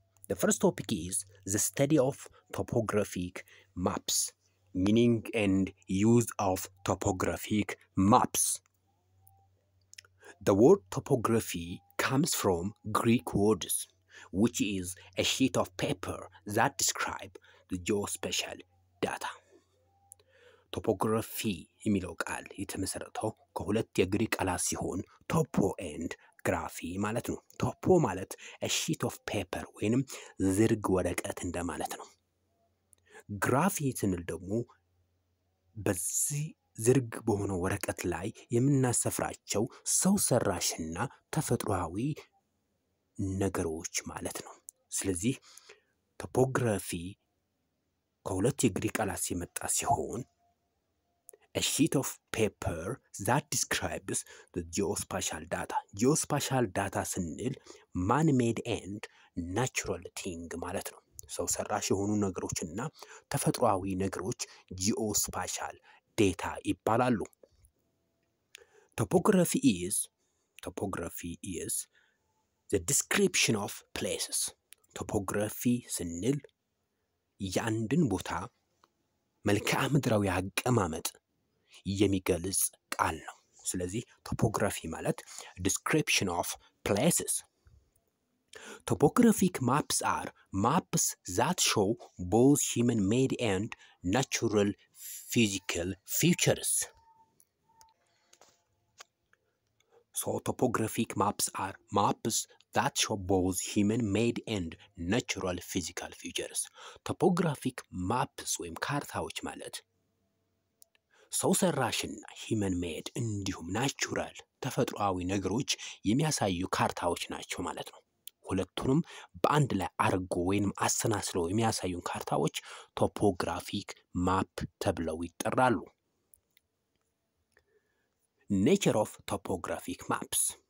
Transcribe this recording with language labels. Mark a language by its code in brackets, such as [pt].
[en] The first topic is the study of topographic maps, meaning and use of topographic maps. The word topography comes from Greek words, which is a sheet of paper that describe the geospatial data. [am] Topography የሚለው ቃል የተመሰረተው ከሁለት የግሪክ ቃላት ሲሆን [en] topo and graphy [am] ማለት ነው። Topo ማለት [en] a sheet of paper [am] ወይንም ዝርግ ወረቀት እንደማለት ነው። Graphy ስንል ደግሞ በዚህ ዝርግ በሆነ ወረቀት ላይ የምናሰፍራቸው ሰው ሰራሽና ተፈጥሯዊ ነገሮች ማለት ነው። ስለዚህ topography ከሁለት የግሪክ ቃላት የመጣ ሲሆን [en] a sheet of paper that describes the geospatial data. Geospatial data sinil man-made and natural thing ማለት ነው። [am] ሰው ሰራሽ የሆኑ ነገሮችና ተፈጥሯዊ ነገሮች [en] geospatial data ይባላሉ። Topography is the description of places. [am] Topography sinil ያንድን ቦታ መልክዓ ምድራዊ አቀማመጥ የሚገልጽ ቃል ነው። ስለዚህ topography ማለት [en] description of places. Topographic maps are maps that show both human-made and natural physical features. So topographic maps are maps that show both human-made and natural physical features. [am] Topographic maps ወይም ካርታዎች ማለት ሰው ሰራሽና human-made እንዲሁም natural ተፈጥሯዊ ነገሮች የሚያሳዩ ካርታዎች ናቸው ማለት ነው። ሁለቱንም በአንድ ላይ አርጎ ወይንም አሰናስሎ የሚያሳዩን ካርታዎች topographic map ተብለው ይጠራሉ። [en] Nature of topographic maps.